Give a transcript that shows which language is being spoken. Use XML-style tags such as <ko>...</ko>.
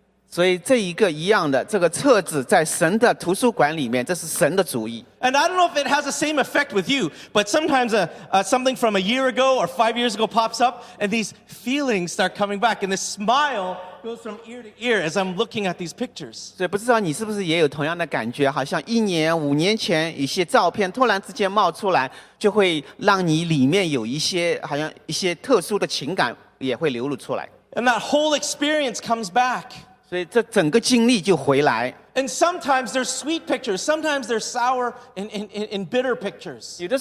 <zh>所以这一个一样的，这个册子在神的图书馆里面，这是神的主意。</zh> <en>And I don't know if it has the same effect with you, but sometimes something from a year ago or 5 years ago pops up, and these feelings start coming back, and this smile goes from ear to ear as I'm looking at these pictures.</en> <zh>所以不知道你是不是也有同样的感觉，好像一年、五年前一些照片突然之间冒出来，就会让你里面有一些好像一些特殊的情感也会流露出来。</zh> <en>And that whole experience comes back. And sometimes there's sweet pictures, sometimes there's sour and in bitter pictures.</en>